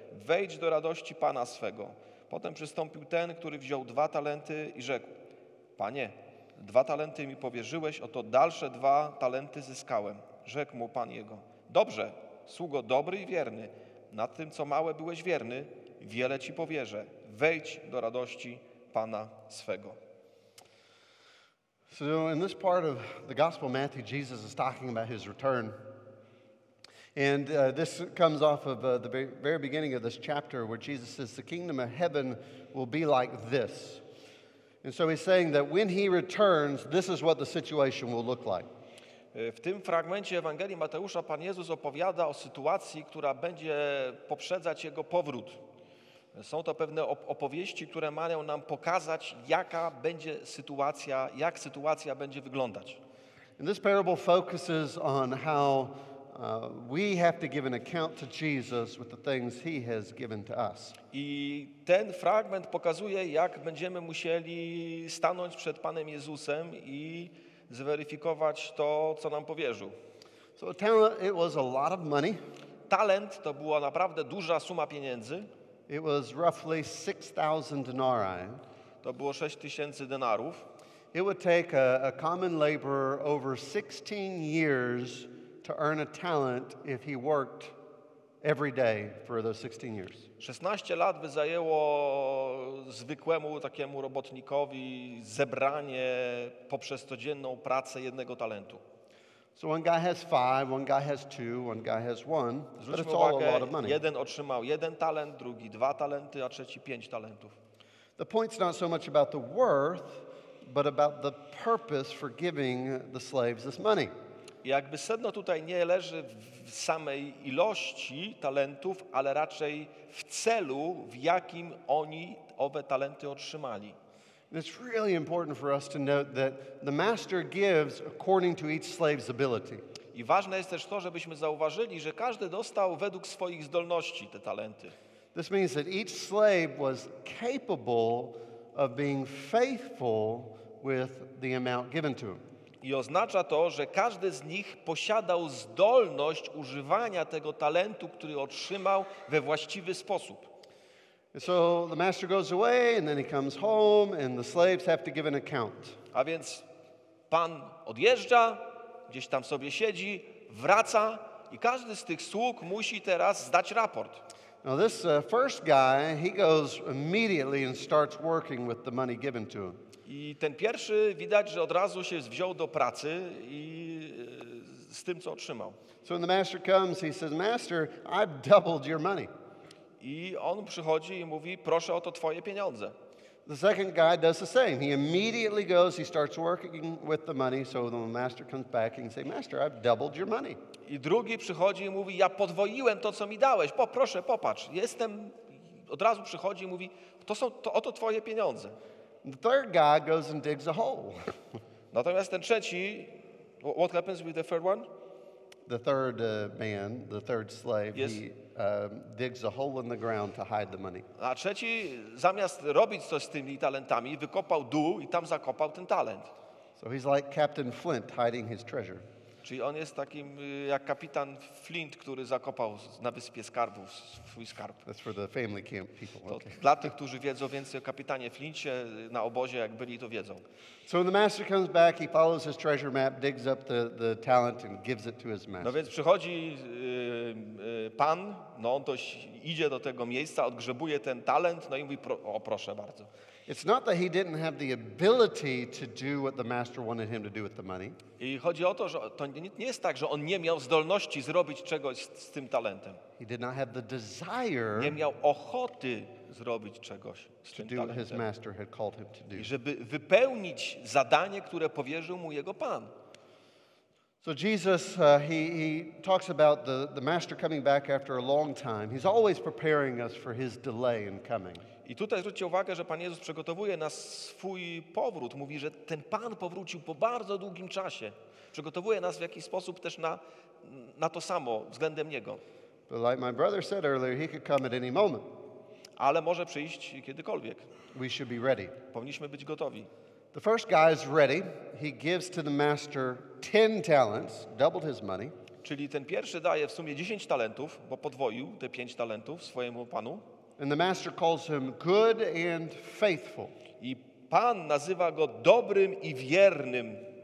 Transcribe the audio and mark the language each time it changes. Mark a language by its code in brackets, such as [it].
[pl] Wejdź do radości pana swego." Potem przystąpił ten, który wziął 2 talenty i rzekł: "Panie, 2 talenty mi powierzyłeś, oto dalsze 2 talenty zyskałem." Rzekł mu pan jego: "Dobrze, sługo dobry i wierny, nad tym, co małe byłeś wierny, wiele ci powierzę. Wejdź do radości pana swego." [en] So in this part of the Gospel of Matthew, Jesus is talking about his return. And this comes off of the very beginning of this chapter where Jesus says the kingdom of heaven will be like this. And so he's saying that when he returns, this is what the situation will look like. [pl] W tym fragmencie Ewangelii Mateusza Pan Jezus opowiada o sytuacji, która będzie poprzedzać jego powrót. Są to pewne opowieści, które mają nam pokazać, jaka będzie sytuacja, jak sytuacja będzie wyglądać. [en] And this parable focuses on how we have to give an account to Jesus with the things he has given to us. [pl] I ten fragment pokazuje, jak będziemy musieli stanąć przed Panem Jezusem i zweryfikować to, co nam powierzył. [en] So talent, it was a lot of money. [pl] Talent to była naprawdę duża suma pieniędzy. [en] It was roughly 6,000 denarii. [pl] To było 6,000 denarów. [en] It would take a common laborer over 16 years to earn a talent if he worked every day for those 16 years. [pl] 16 lat by zajęło zwykłemu takiemu robotnikowi zebranie poprzez codzienną pracę jednego talentu. [en] So one guy has 5, one guy has 2, one guy has 1, but it's all a lot of money. [pl] Jeden otrzymał 1 talent, drugi 2 talenty, a trzeci 5 talentów. [en] The point's not so much about the worth, but about the purpose for giving the slaves this money. [pl] Jakby sedno tutaj nie leży w samej ilości talentów, ale raczej w celu, w jakim oni owe talenty otrzymali. [en] It's really important for us to note that the master gives according to each slave's ability. [pl] I ważne jest też to, żebyśmy zauważyli, że każdy dostał według swoich zdolności te talenty. [en] This means that each slave was capable of being faithful with the amount given to him. [pl] I oznacza to, że każdy z nich posiadał zdolność używania tego talentu, który otrzymał, we właściwy sposób. [en] And so the master goes away, and then he comes home, and the slaves have to give an account. [pl] A więc pan odjeżdża, gdzieś tam sobie siedzi, wraca i każdy z tych sług musi teraz zdać raport. [en] Now this first guy, he goes immediately and starts working with the money given to him. [pl] I ten pierwszy widać, że od razu się wziął do pracy i z tym, co otrzymał. [en] So when the master comes, he says, "Master, I've doubled your money." [pl] I on przychodzi i mówi, proszę o to twoje pieniądze. [en] The second guy does the same. He immediately goes, he starts working with the money, so the master comes back and says, "Master, I've doubled your money." [pl] I drugi przychodzi i mówi, ja podwoiłem to, co mi dałeś. Proszę, popatrz, jestem... Od razu przychodzi i mówi, to są, to, oto twoje pieniądze. [en] The third guy goes and digs a hole. [pl] Natomiast ten trzeci, [en] what happens with the third one? The third man, the third slave, yes. Digs a hole in the ground to hide the money. [pl] A trzeci zamiast robić coś z tymi talentami, wykopał dół i tam zakopał ten talent. [en] So he's like Captain Flint hiding his treasure. [pl] Czyli on jest takim jak kapitan Flint, który zakopał na wyspie skarbów swój skarb. [en] That's for the family camp people. [pl] To dla tych, którzy wiedzą więcej o kapitanie Flincie na obozie, jak byli, to wiedzą. [en] So when the master comes back, he follows his treasure map, digs up the talent and gives it to his master. [pl] No więc przychodzi pan, no on toś idzie do tego miejsca, odgrzebuje ten talent, no i mówi, o proszę bardzo. [en] It's not that he didn't have the ability to do what the master wanted him to do with the money. [pl] I chodzi o to, że to nie jest tak, że on nie miał zdolności zrobić czegoś z tym talentem. [en] He did not have the desire. [pl] Nie miał ochoty zrobić czegoś z tym talentem. [en] To do what his master had called him to do. [pl] I żeby wypełnić zadanie, które powierzył mu jego pan. [en] So Jesus, he talks about the master coming back after a long time. He's always preparing us for his delay in coming. [pl] I tutaj zwróćcie uwagę, że Pan Jezus przygotowuje na swój powrót. Mówi, że ten Pan powrócił po bardzo długim czasie. Przygotowuje nas w jakiś sposób też na to samo względem Niego. [en] But like my brother said earlier, he could come at any moment. [pl] Ale może przyjść kiedykolwiek. [en] We should be ready. [pl] Powinniśmy być gotowi. [en] The first guy is ready. He gives to the master 10 talents, doubled his money. [pl] Czyli ten pierwszy daje w sumie 10 talentów, bo podwoił te 5 talentów swojemu Panu. [en] And the master calls him good and faithful. [pl] I pan nazywa go dobrym i wiernym.